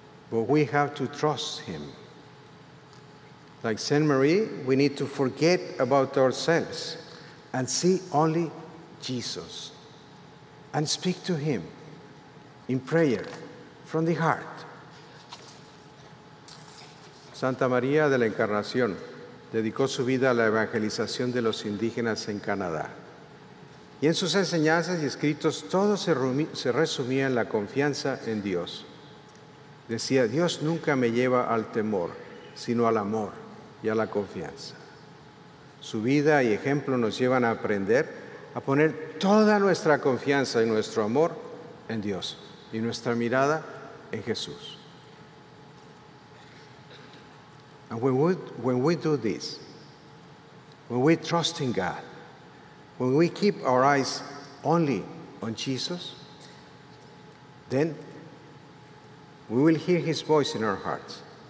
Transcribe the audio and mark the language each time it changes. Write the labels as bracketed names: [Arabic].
[English] But we have to trust him. Like Saint Marie, we need to forget about ourselves and see only Jesus and speak to him in prayer, from the heart. [Spanish] Santa María de la Encarnación dedicó su vida a la evangelización de los indígenas en Canadá. Y en sus enseñanzas y escritos, todo se resumía en la confianza en Dios. Decía, Dios nunca me lleva al temor, sino al amor y a la confianza. Su vida y ejemplo nos llevan a aprender a poner toda nuestra confianza y nuestro amor en Dios, y nuestra mirada en Jesús. [English] And when we do this, when we trust in God, when we keep our eyes only on Jesus, Then we will hear his voice in our hearts.